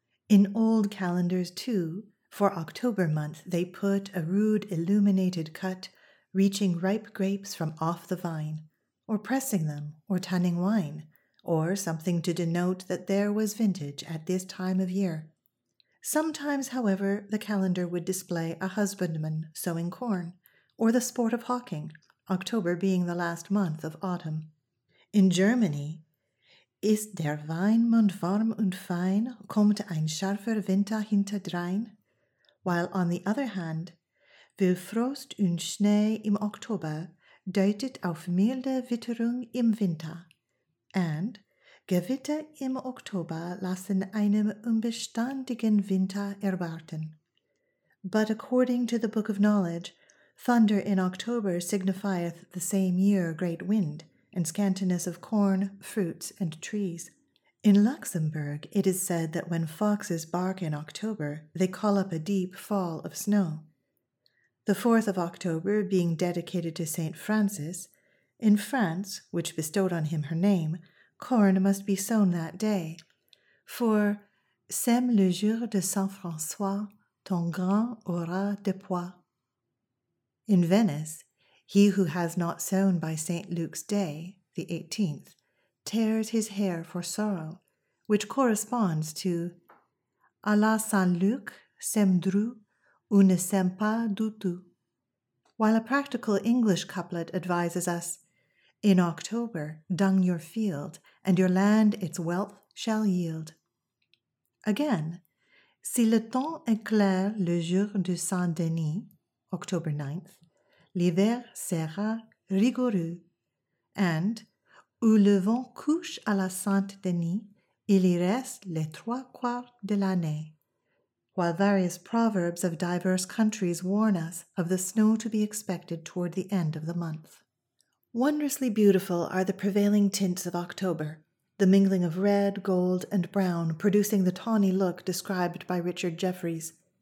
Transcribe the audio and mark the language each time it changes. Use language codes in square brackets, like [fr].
[en] In old calendars, too, for October month they put a rude illuminated cut, reaching ripe grapes from off the vine, or pressing them, or tanning wine, or something to denote that there was vintage at this time of year. Sometimes, however, the calendar would display a husbandman sowing corn, or the sport of hawking, October being the last month of autumn. In Germany, [de] ist der Weinmund warm und fein, kommt ein scharfer Winter hinterdrein, [en] while on the other hand, [de] will Frost und Schnee im Oktober deutet auf milde Witterung im Winter, and Gewitter im Oktober lassen einen unbeständigen Winter erwarten. [en] But according to the Book of Knowledge, thunder in October signifieth the same year great wind, and scantiness of corn, fruits, and trees. In Luxembourg, it is said that when foxes bark in October, they call up a deep fall of snow. The 4th of October being dedicated to St. Francis, in France, which bestowed on him her name, corn must be sown that day. [fr] For, sème le jour de Saint François, ton grain aura de poids. [en] In Venice, he who has not sown by St. Luke's Day, the 18th, tears his hair for sorrow, which corresponds to [fr] à la Saint-Luc, sème dru, ou ne sème pas du tout. [en] While a practical English couplet advises us, in October, dung your field, and your land its wealth shall yield. Again, [fr] si le temps est clair le jour de Saint-Denis, [en] October 9th, [fr] l'hiver sera rigoureux, and où le vent couche à la Saint-Denis, il y reste les trois quarts de l'année. [en] While various proverbs of diverse countries warn us of the snow to be expected toward the end of the month. Wondrously beautiful are the prevailing tints of October, the mingling of red, gold, and brown producing the tawny look described by Richard Jefferies.